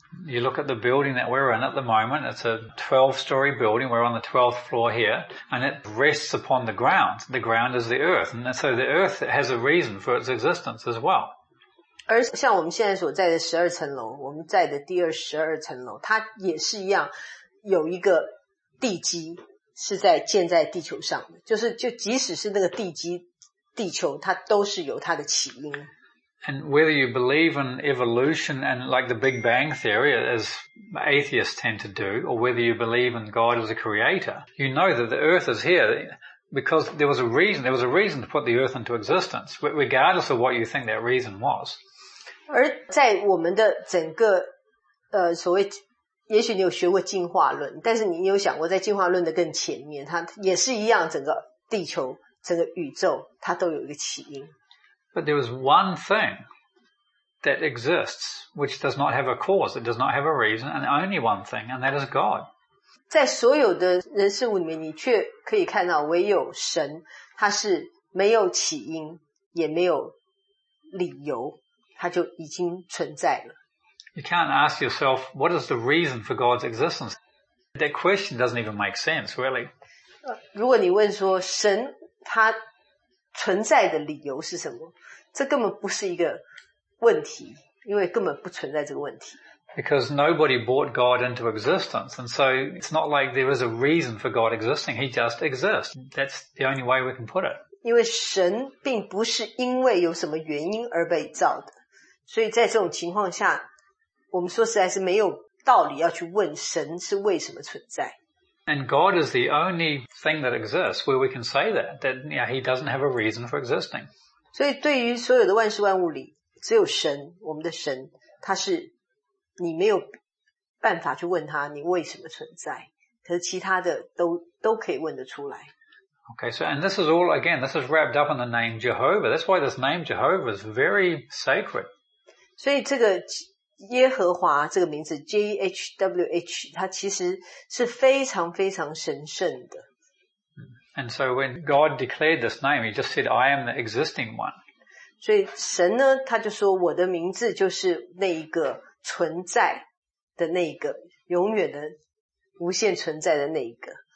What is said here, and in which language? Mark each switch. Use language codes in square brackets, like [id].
[en] You look at the building that we're in at the moment, it's a 12 story building, we're on the 12th floor here, and it rests upon the ground. The ground is the earth, and so the earth has a reason for its existence as well. [zh] 而像我们现在所在的12层楼，我们在的第22层楼，它也是一样有一个地基是在建在地球上的，就是就即使是那个地基地球，它都是有它的起因。 [en] And whether you believe in evolution and like the Big Bang theory, as atheists tend to do, or whether you believe in God as a creator, you know that the earth is here. Because there was a reason to put the earth into existence, regardless of what you think that reason was. [zh] 而在我们的整个所谓，也许你有学过进化论，但是你有想过在进化论的更前面，它也是一样，整个地球、整个宇宙，它都有一个起因。 [en] But there was one thing that exists, which does not have a cause, it does not have a reason, and only one thing, and that is God. [zh] 在所有的人事物里面，你却可以看到唯有神，他是没有起因，也没有理由，他就已经存在了。 [en] You can't ask yourself, what is the reason for God's existence? That question doesn't even make sense, really. [zh] 如果你问说神他存在的理由是什么，这根本不是一个问题，因为根本不存在这个问题。 [en] Because nobody brought God into existence, and so it's not like there is a reason for God existing, He just exists. That's the only way we can put it. [zh] 因为神并不是因为有什么原因而被造的，所以在这种情况下，我们说实在是没有道理要去问神是为什么存在。 [en] And God is the only thing that exists where we can say that yeah, He doesn't have a reason for existing. [zh] 所以对于所有的万事万物里，只有神，我们的神，他是你没有办法去问他你为什么存在，可是其他的都可以问得出来。 [en] Okay, so, and this is all, again, this is wrapped up in the name Jehovah. That's why this name Jehovah is very sacred. [zh] 所以这个耶和华这个名字 J-H-W-H, 它其实是非常非常神圣的。 [en] And so when God declared this name, He just said, I am the existing one. [zh] 所以神呢，他就说我的名字就是那一个存在的那一个，永远的无限存在的那一个。